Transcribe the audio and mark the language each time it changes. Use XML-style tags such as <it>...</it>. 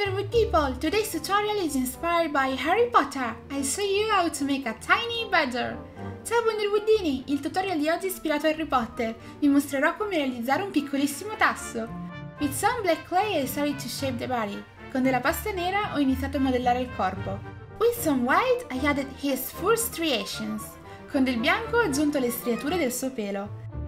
<en>people, today's tutorial is inspired by Harry Potter. I'll show you how to make a tiny badger.</en> <it>Ciao Wonderwoodini, il tutorial di oggi è ispirato a Harry Potter. Vi mostrerò come realizzare un piccolissimo tasso.</it> <en>With some black clay I started to shape the body.</en> <it>Con della pasta nera ho iniziato a modellare il corpo.</it> <en>With some white I added his full striations.</en> <it>Con del bianco ho aggiunto le striature del suo pelo.</it>